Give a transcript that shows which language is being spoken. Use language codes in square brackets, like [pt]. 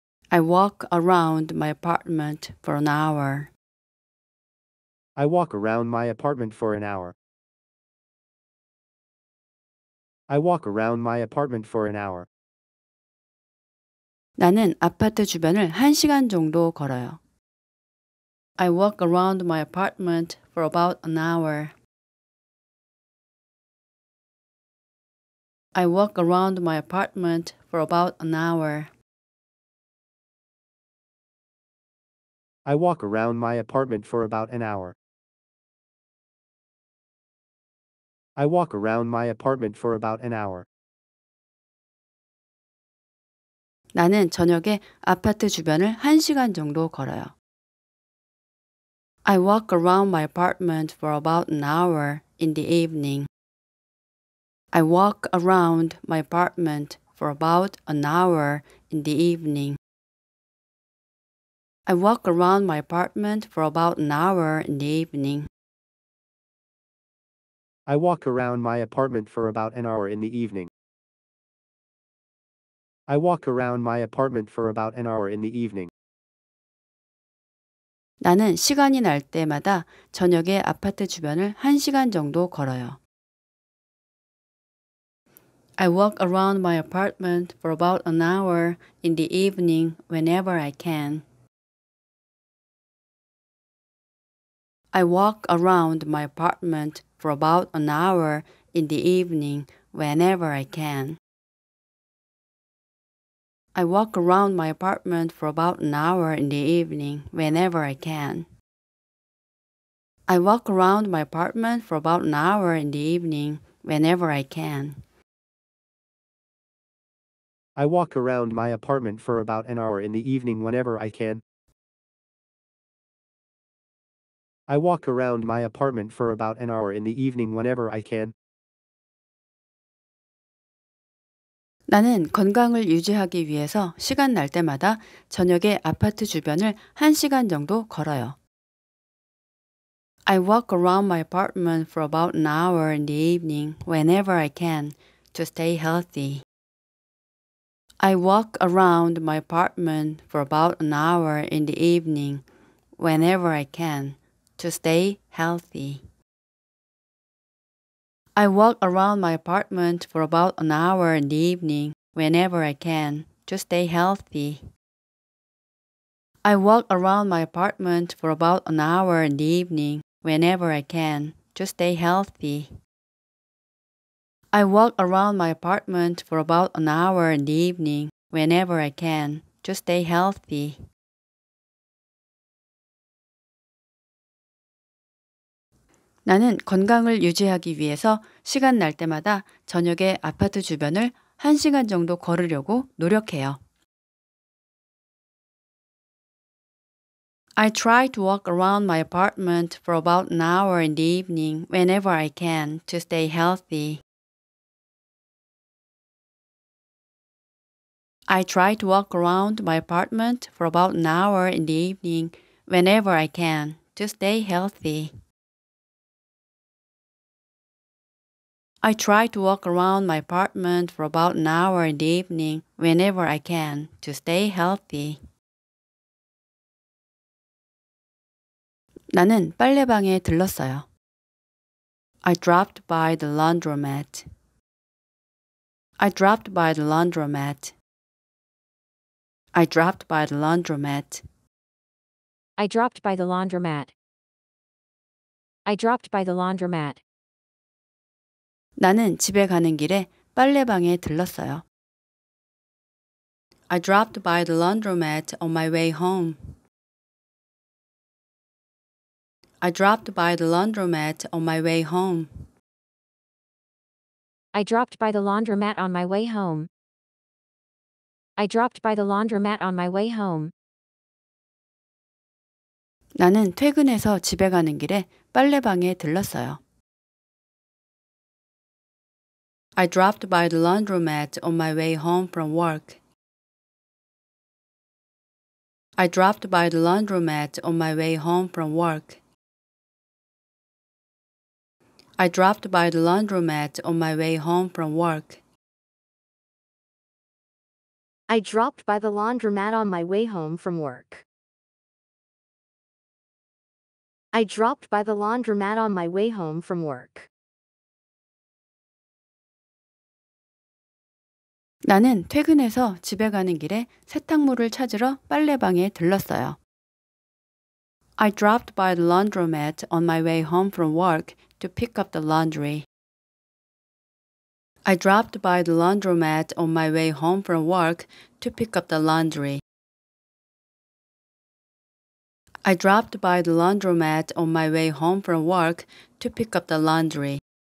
[en] I walk around my apartment for an hour. I walk around my apartment for an hour. I walk around my apartment for an hour. [ko] 나는 아파트 주변을 한 시간 정도 걸어요. [en] I walk around my apartment for about an hour. I walk around my apartment for about an hour. I walk around my apartment for about an hour. I walk around my apartment for about an hour. [ko] 나는 저녁에 아파트 주변을 한 시간 정도 걸어요. [en] I walk around my apartment for about an hour in the evening. I walk around my apartment for about an hour in the evening. I walk around my apartment for about an hour in the evening. I walk around my apartment for about an hour in the evening. I walk around my apartment for about an hour in the evening. [ko] 나는 시간이 날 때마다 저녁에 아파트 주변을 한 시간 정도 걸어요. [en] I walk around my apartment for about an hour in the evening whenever I can. I walk around my apartment for about an hour in the evening whenever I can. I walk around my apartment for about an hour in the evening whenever I can. I walk around my apartment for about an hour in the evening whenever I can. I walk around my apartment for about an hour in the evening whenever I can. I walk around my apartment for about an hour in the evening whenever I can. [ko] 나는 건강을 유지하기 위해서 시간 날 때마다 저녁에 아파트 주변을 한 시간 정도 걸어요. [en] I walk around my apartment for about an hour in the evening whenever I can to stay healthy. I walk around my apartment for about an hour in the evening whenever I can to stay healthy. I walk around my apartment for about an hour in the evening whenever I can to stay healthy. I walk around my apartment for about an hour in the evening whenever I can to stay healthy. I walk around my apartment for about an hour in the evening whenever I can to stay healthy. [ko] 나는 건강을 유지하기 위해서 시간 날 때마다 저녁에 아파트 주변을 한 시간 정도 걸으려고 노력해요. [en] I try to walk around my apartment for about an hour in the evening whenever I can to stay healthy. I try to walk around my apartment for about an hour in the evening whenever I can to stay healthy. I try to walk around my apartment for about an hour in the evening whenever I can to stay healthy. [ko] 나는 빨래방에 들렀어요. [en] I dropped by the laundromat. I dropped by the laundromat. I dropped by the laundromat. I dropped by the laundromat. I dropped by the laundromat. [ko] 나는 집에 가는 길에 빨래방에 들렀어요. [en] I dropped by the laundromat on my way home. I dropped by the laundromat on my way home. I dropped by the laundromat on my way home. I dropped by the laundromat on my way home. [ko] 나는 퇴근해서 집에 가는 길에 빨래방에 들렀어요. [en] I dropped by the laundromat on my way home from work. I dropped by the laundromat on my way home from work. I dropped by the laundromat on my way home from work. I dropped by the laundromat on my way home from work. I dropped by the laundromat on my way home from work. [ko] 나는 퇴근해서 집에 가는 길에 세탁물을 찾으러 빨래방에 들렀어요. [en] I dropped by the laundromat on my way home from work to pick up the laundry. I dropped by the laundromat on my way home from work to pick up the laundry. I dropped by the laundromat on my way home from work to pick up the laundry.